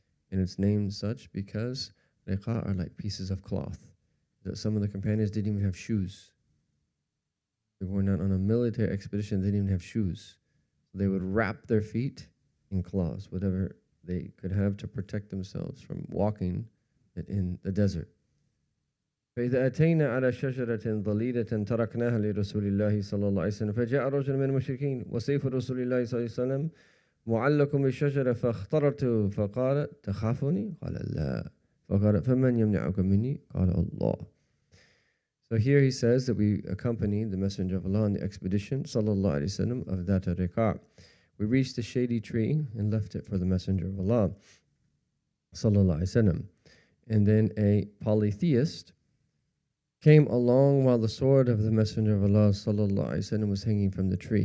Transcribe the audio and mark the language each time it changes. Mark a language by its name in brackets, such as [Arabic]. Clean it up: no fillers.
[English] And it's named such because Riqa are like pieces of cloth. That some of the companions didn't even have shoes. They were not on a military expedition, they didn't even have shoes. They would wrap their feet in cloths, whatever they could have to protect themselves from walking in the desert. [Arabic] فإذا أتينا على شجرة ظليلة تركناها لرسول الله صلى الله عليه وسلم فجاء رجل من المشركين وسيف رسول الله صلى الله عليه وسلم معلق بالشجرة فاخترته فقال تخافني قال لا فقال فمن يمنعك مني قال الله. [English] So here he says that we accompanied the Messenger of Allah on the expedition [Arabic] صلى الله عليه وسلم [English] of Dhat al-Riqa. We reached a shady tree and left it for the Messenger of Allah, sallallahu alaihi wasallam. And then a polytheist came along while the sword of the Messenger of Allah, sallallahu alaihi wasallam, was hanging from the tree.